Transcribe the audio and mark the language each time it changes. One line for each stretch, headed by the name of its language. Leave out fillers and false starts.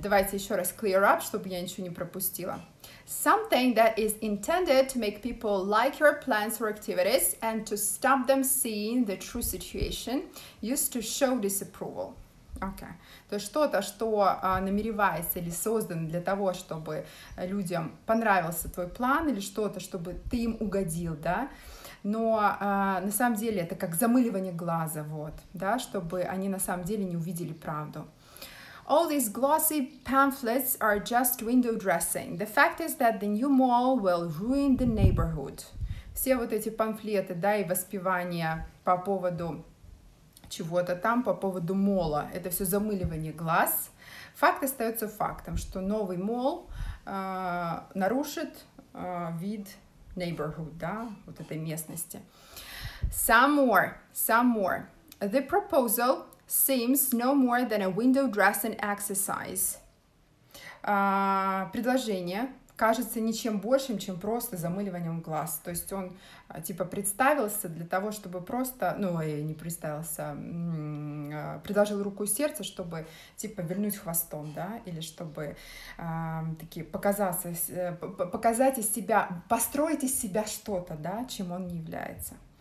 Russian: Давайте еще раз
English: clear up,
Russian: чтобы я ничего не пропустила.
English: Something that is intended to make people like your plans or activities and to stop them seeing the true situation used to show disapproval. Okay.
Russian: То есть что-то, что намеревается или создано для того, чтобы людям понравился твой план или что-то, чтобы ты им угодил, да? Но на самом деле это как замыливание глаза, вот, да, чтобы они на самом деле не увидели правду.
English: All these glossy pamphlets are just window dressing. The fact is that the new mall will ruin the neighborhood.
Russian: Все вот эти памфлеты, да, и воспевания по поводу чего-то там, по поводу мола, это все замыливание глаз. Факт остается фактом, что новый мол нарушит вид neighborhood, да, вот этой местности.
English: Some more. The proposal seems no more than a window dressing exercise.
Russian: Предложение кажется ничем большим, чем просто замыливанием глаз. То есть он типа представился для того, чтобы просто, ну, не представился, предложил руку и сердце, чтобы типа вернуть хвостом, да, или чтобы показать из себя, построить из себя что-то, да, чем он не является.